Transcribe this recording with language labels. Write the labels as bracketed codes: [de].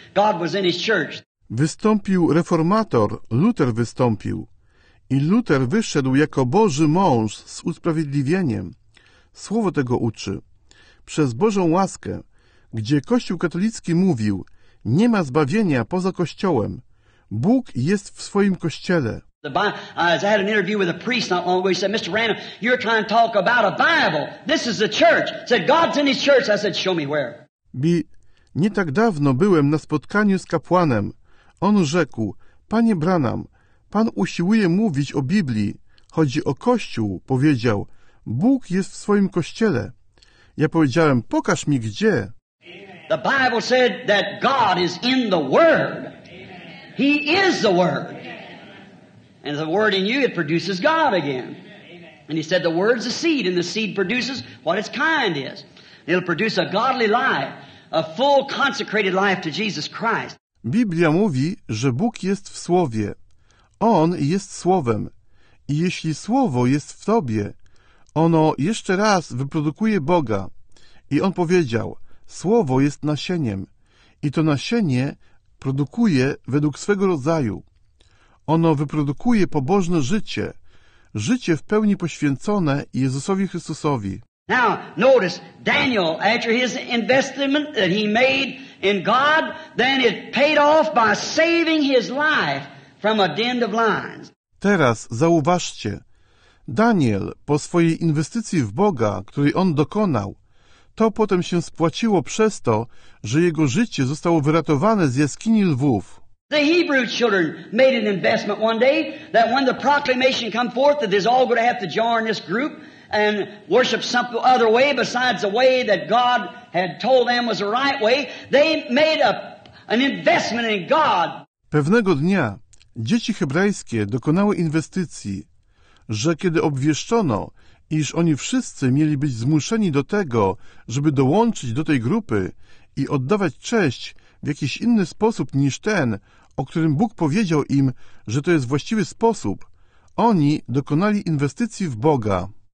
[en] God was in his church. [pl] Wystąpił reformator, Luther wystąpił. I Luther wyszedł jako Boży mąż z usprawiedliwieniem. Słowo tego uczy. Przez Bożą łaskę, gdzie Kościół katolicki mówił, nie ma zbawienia poza Kościołem. Bóg jest w swoim Kościele. [en] I had an interview with a priest not long ago. He said, Mr. Branham, you're trying to talk about a Bible. This is the church. He said, God's in his church. I said, show me where. [pl] Nie tak dawno byłem na spotkaniu z kapłanem. On rzekł, Panie Branham, Pan usiłuje mówić o Biblii. Chodzi o Kościół. Powiedział, Bóg jest w swoim Kościele. Ja powiedziałem, pokaż mi gdzie. [en] The Bible said that God is in the Word. He is the Word. And the word in you, it produces God again. And he said, the word's a seed, and the seed produces what its kind is. It'll produce a godly life, a full consecrated life to Jesus Christ. [pl] Biblia mówi, że Bóg jest w Słowie. On jest Słowem. I jeśli Słowo jest w tobie, ono jeszcze raz wyprodukuje Boga. I on powiedział, Słowo jest nasieniem. I to nasienie produkuje według swego rodzaju. Ono wyprodukuje pobożne życie, życie w pełni poświęcone Jezusowi Chrystusowi. [en] Now, notice, Daniel, after his investment that he made in God, then it paid off by saving his life from a den of lions. [pl] Teraz zauważcie, Daniel po swojej inwestycji w Boga, której on dokonał, to potem się spłaciło przez to, że jego życie zostało wyratowane z jaskini lwów. [en] The Hebrew children made an investment one day that when the proclamation come forth that they're all going to have to join this group and worship some other way besides the way that God had told them was the right way, they made an investment in God. [pl] Pewnego dnia dzieci hebrajskie dokonały inwestycji, że kiedy obwieszczono, iż oni wszyscy mieli być zmuszeni do tego, żeby dołączyć do tej grupy i oddawać cześć w jakiś inny sposób niż ten, o którym Bóg powiedział im, że to jest właściwy sposób, oni dokonali inwestycji w Boga.